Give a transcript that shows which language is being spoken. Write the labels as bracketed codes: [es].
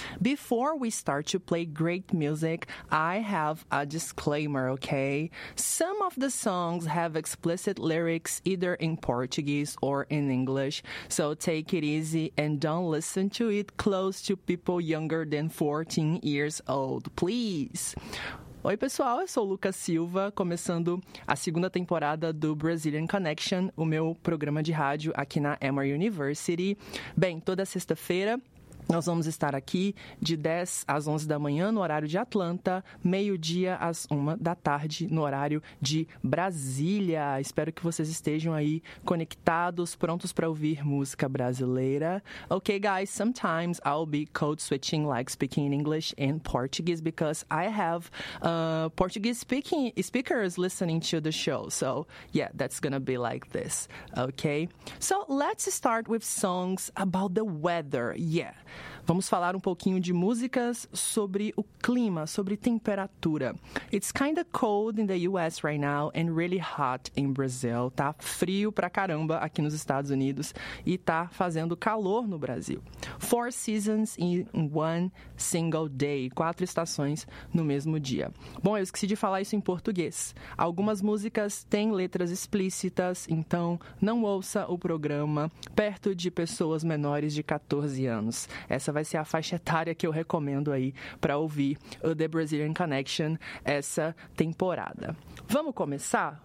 [en] Before we start to play great music, I have a disclaimer, okay? Some of the songs have explicit lyrics either in Portuguese or in English, so take it easy and don't listen to it close to people younger than 14 years old, please. [pt] Oi, pessoal, eu sou o Lucas Silva, começando a segunda temporada do Brazilian Connection, o meu programa de rádio aqui na Emory University. Bem, toda sexta-feira nós vamos estar aqui de 10 às 11 da manhã no horário de Atlanta, meio-dia às 1 da tarde no horário de Brasília. Espero que vocês estejam aí conectados, prontos para ouvir música brasileira. [en] Ok, guys, sometimes I'll be code-switching like speaking in English and Portuguese because I have Portuguese speakers listening to the show. So, yeah, that's gonna be like this, okay? So, let's start with songs about the weather, yeah. [pt] Vamos falar um pouquinho de músicas sobre o clima, sobre temperatura. [en] It's kind of cold in the US right now and really hot in Brazil. [pt] Tá frio pra caramba aqui nos Estados Unidos e tá fazendo calor no Brasil. [en] Four seasons in one single day. [pt] Quatro estações no mesmo dia. Bom, eu esqueci de falar isso em português. Algumas músicas têm letras explícitas, então não ouça o programa perto de pessoas menores de 14 anos. Essa vai ser a faixa etária que eu recomendo aí para ouvir o The Brazilian Connection essa temporada. Vamos começar?